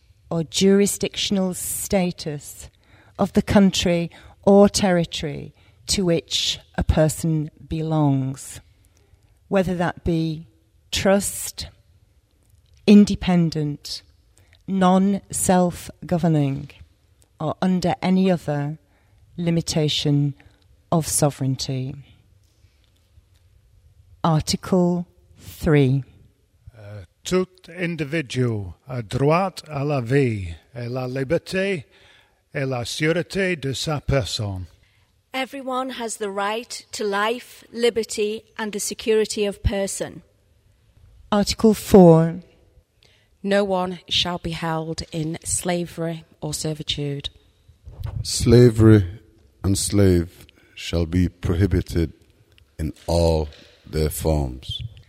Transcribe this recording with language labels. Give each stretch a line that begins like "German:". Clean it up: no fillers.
English: or jurisdictional status of the country or territory to which a person belongs, whether that be trust, independent, non-self-governing, or under any other limitation of sovereignty. Article 3.
French: Tout individu a droit à la vie et la liberté et la sûreté de sa personne.
English: Everyone has the right to life, liberty, and the security of person. Article 4. No one shall be held in slavery or servitude. Slavery and slave shall be prohibited in all their forms.